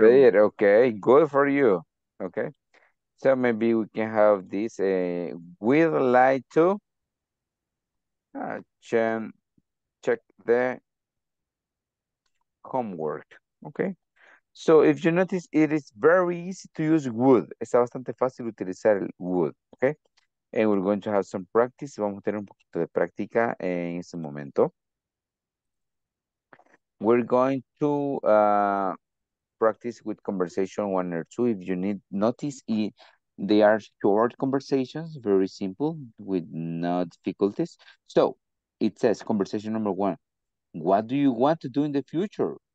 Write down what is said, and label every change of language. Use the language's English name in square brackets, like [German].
[English] Despedir. Okay. Good for you. Okay. So maybe we can have this. We'd like to check the homework. Okay. So if you notice, it is very easy to use would. Está bastante fácil utilizar el would. Okay. And we're going to have some practice. [Spanish] Vamos a tener un poquito de práctica en este momento. [English] We're going to practice with conversation one or two. If you need notice, they are short conversations, very simple, with no difficulties. So it says, conversation number one, what do you want to do in the future?